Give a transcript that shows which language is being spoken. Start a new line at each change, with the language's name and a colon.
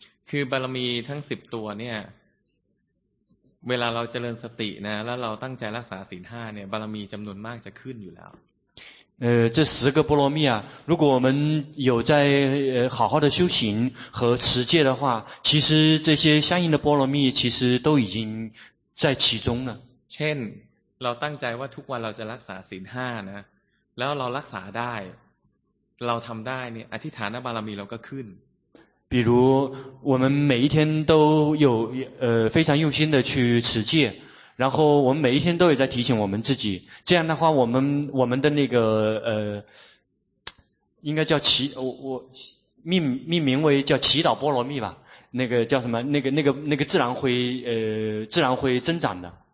Thai: คือบารมีทั้ง10ตัวเนี่ยเวลาเราเจริญสตินะแล้วเราตั้งใจรักษาศีล5เนี่ยบารมีจำนวนมากจะขึ้นอยู่แล้ว
Chinese: 这十个波罗蜜啊如果我们有在好好的修行和持戒的话其实这些相应的波罗蜜其实都已经在其中了
Thai: เช่นเราตั้งใจว่าทุกวันเราจะรักษาศีล5นะแล้วเรารักษาได้เราทำได้เนี่ยอธิษฐานบารมีเราก็ขึ้น
Chinese: 比如我们每一天都有非常用心的去持戒然后我们每一天都有在提醒我们自己这样的话我们的那个应该叫祈我命名为叫祈祷波罗蜜吧那个叫什么那个自然会增长的